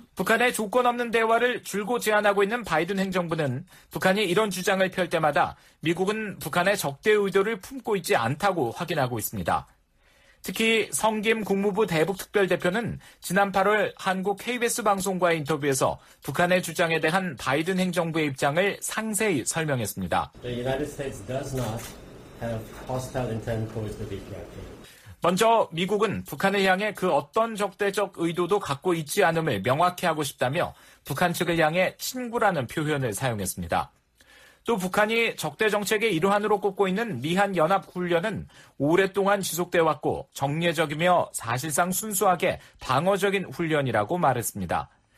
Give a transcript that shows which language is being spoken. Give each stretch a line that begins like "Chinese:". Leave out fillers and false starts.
Korean: 북한의 조건 없는 대화를 줄곧 제안하고 있는 바이든 행정부는 북한이 이런 주장을 펼 때마다 미국은 북한의 적대 의도를 품고 있지 않다고 확인하고 있습니다. 특히 성김 국무부 대북특별대표는 지난 8월 한국 KBS 방송과의 인터뷰에서 북한의 주장에 대한 바이든 행정부의 입장을 상세히 설명했습니다.
English: The United States does not have hostile intent towards the BPRK.
Korean: 먼저 미국은 북한을 향해 그 어떤 적대적 의도도 갖고 있지 않음을 명확히 하고 싶다며 북한 측을 향해 친구라는 표현을 사용했습니다. 또 북한이 적대정책의 일환으로 꼽고 있는 미한연합훈련은 오랫동안 지속돼 왔고 정례적이며 사실상 순수하게 방어적인 훈련이라고 말했습니다.